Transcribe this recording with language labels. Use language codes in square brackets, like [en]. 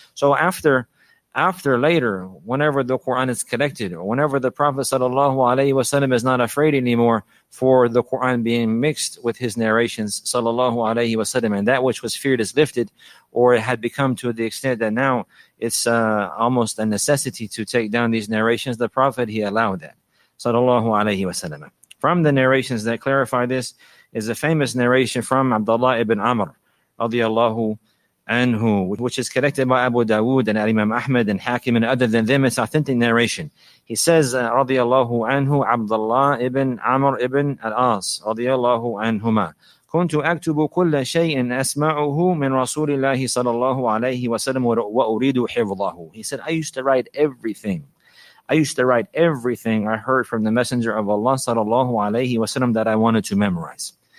[en] So after later, whenever the Quran is collected, or whenever the Prophet sallallahu alaihi wasallam is not afraid anymore for the Quran being mixed with his narrations sallallahu alaihi wasallam, and that which was feared is lifted, or it had become to the extent that now it's almost a necessity to take down these narrations, the Prophet, he allowed that sallallahu alaihi wasallam. From the narrations that clarify this is a famous narration from Abdullah ibn Amr radiallahu anhu, which is collected by Abu Dawood and Imam Ahmad and Hakim, and other than them, it's authentic narration. He says, [ar] radiallahu anhu, Abdullah ibn Amr ibn al-As radiallahu anhuma, كنت أكتب كل شيء أسمعه من رسول الله صلى الله عليه وسلم وأريد حفظه. [en] He said, I used to write everything I heard from the Messenger of Allah sallallahu alayhi wa sallam that I wanted to memorize.